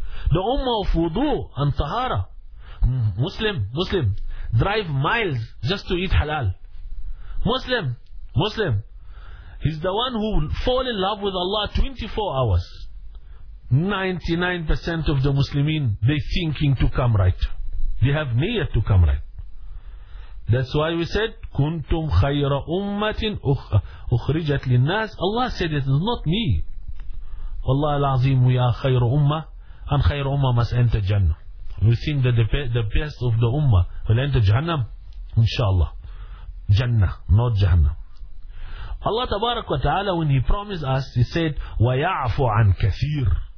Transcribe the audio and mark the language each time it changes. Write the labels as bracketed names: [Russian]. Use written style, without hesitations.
[English] The ummah of wudu and tahara. Muslim, drive miles just to eat halal. Muslim, he's the one who fall in love with Allah 24 hours. 99% of the Muslimin, they thinking to come right. They have niyyah to come right. That's why we said, [Arabic] كُنْتُمْ خَيْرَ أُمَّةٍ أُخْرِجَتْ لِلنَّاسِ. [English] Allah said, it is not me. Allah al-Azim, we are خير أمة, and خير أمة must enter Jannah. We think that the best of the Ummah will enter Jahannam, inshallah. Jannah, not Jahannam. Allah tabarak wa ta'ala, when He promised us, He said, [Arabic] وَيَعْفُ عَنْ كَثِيرٍ.